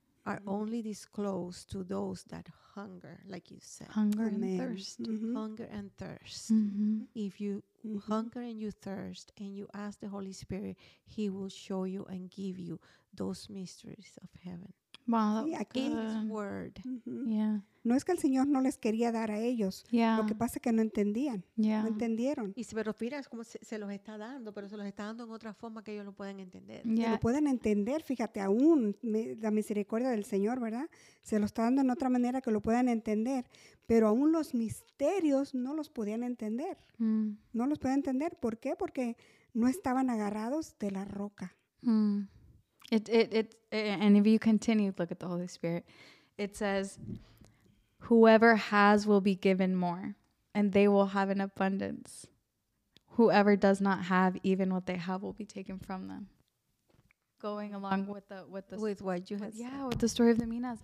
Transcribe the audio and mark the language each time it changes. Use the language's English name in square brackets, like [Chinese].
[English] are only disclosed to those that hunger, like you said. Hunger and thirst. Mm-hmm. Hunger and thirst. Mm-hmm. If you mm-hmm. hunger and you thirst and you ask the Holy Spirit, He will show you and give you those mysteries of heaven. Wow. His word. Mm-hmm. Yeah. [Spanish] No es que el Señor no les quería dar a ellos. [English] Yeah. [Spanish] Lo que pasa es que no entendían. [English] Yeah. [Spanish] No entendieron. Y si, pero mira, es como se los está dando, pero se los está dando en otra forma que ellos no pueden entender. [English] Yeah. [Spanish] Que lo pueden entender, fíjate, aún la misericordia del Señor, ¿verdad? Se los está dando en otra manera que lo puedan entender. Pero aún los misterios no los podían entender. Mm. No los podían entender. ¿Por qué? Porque no estaban agarrados de la roca. [English] Mm. And if you continue, look at the Holy Spirit. It says, whoever has will be given more, and they will have an abundance. whoever does not have even what they have will be taken from them. Going along with the story of the Minas.